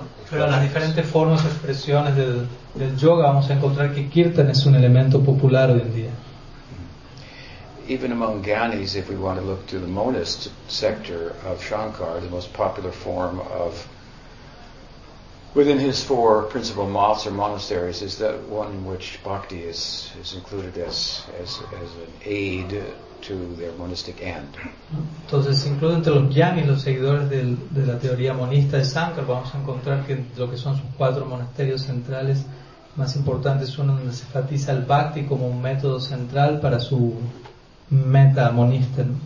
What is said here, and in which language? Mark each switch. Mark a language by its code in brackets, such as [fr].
[es] Pero en las diferentes formas, expresiones del yoga vamos a encontrar que kirtan es un elemento popular hoy en día. [en] Even among Gyanis, if we want to look to the monist sector of Shankar, the most popular form of within his four principal moths or monasteries is that one in which bhakti is included as an aid to their monistic end. [es] Entonces, incluso entre los gyanis, los seguidores de la teoría monista de Shankar, vamos a encontrar que lo que son sus cuatro monasterios centrales más importantes, uno donde se enfatiza el bhakti como un método central para su meta monista.